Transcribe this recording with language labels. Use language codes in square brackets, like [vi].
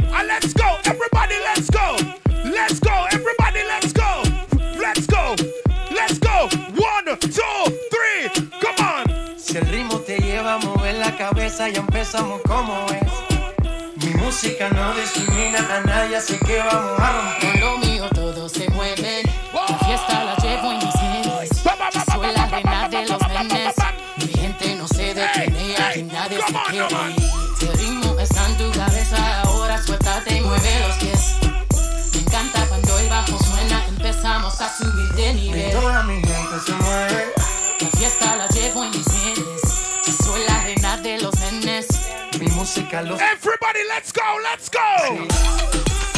[en] Let's go, everybody, let's go. Let's go, everybody, let's go. Let's go, let's go. One, two, three, come on. [es] Si el ritmo te lleva a mover la cabeza, ya empezamos como es. Mi música no discrimina a nadie, así que vamos a romper. Lo mío todo se mueve. Fiesta la llevo en mis pies. Soy la reina de los nenes. Mi gente no se detiene. Hey, hey, y nadie se quiere. Si el ritmo está en tu cabeza, ahora suéltate y mueve los pies. Me encanta cuando el bajo suena. Empezamos a subir de nivel. Y toda mi gente se mueve. La fiesta la llevo en mis pies. Soy la reina de los nenes. Mi música los... [en] Everybody, let's go, let's go.